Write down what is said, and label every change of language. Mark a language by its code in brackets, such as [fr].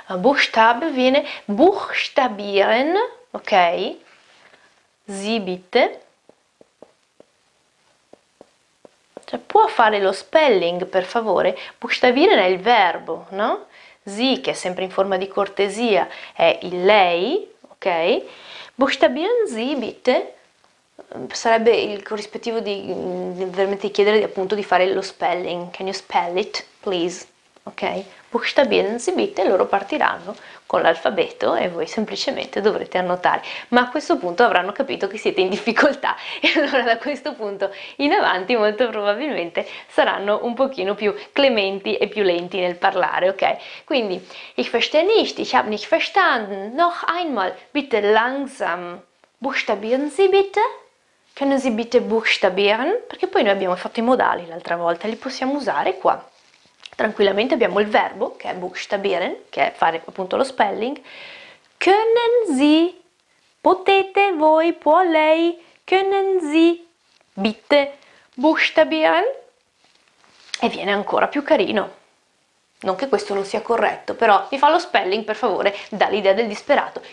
[de] Buchstab viene buchstabieren, ok? Sie bitte. [it] Cioè, può fare lo spelling, per favore? Buchstabieren è il verbo, no? Sie, che è sempre in forma di cortesia, è il lei, ok? [de] Buchstabieren Sie, bitte? [it] Sarebbe il corrispettivo di veramente chiedere appunto di fare lo spelling. [en] Can you spell it, please? Ok? [de] Buchstabieren Sie, bitte? [it] Loro partiranno con l'alfabeto e voi semplicemente dovrete annotare. Ma a questo punto avranno capito che siete in difficoltà e allora da questo punto in avanti molto probabilmente saranno un pochino più clementi e più lenti nel parlare, ok? [de] Quindi, ich verstehe nicht, ich habe nicht verstanden. Noch einmal, bitte langsam. Buchstabieren Sie bitte? Können Sie bitte buchstabieren? [it] Perché poi noi abbiamo fatto i modali l'altra volta, li possiamo usare qua. Tranquillamente abbiamo il verbo che è buchstabieren, che è fare appunto lo spelling. [de] Können Sie, [it] potete voi, può lei, [de] können Sie, bitte, buchstabieren? [it] E viene ancora più carino. Non che questo non sia corretto, però mi fa lo spelling per favore, dà l'idea del disperato.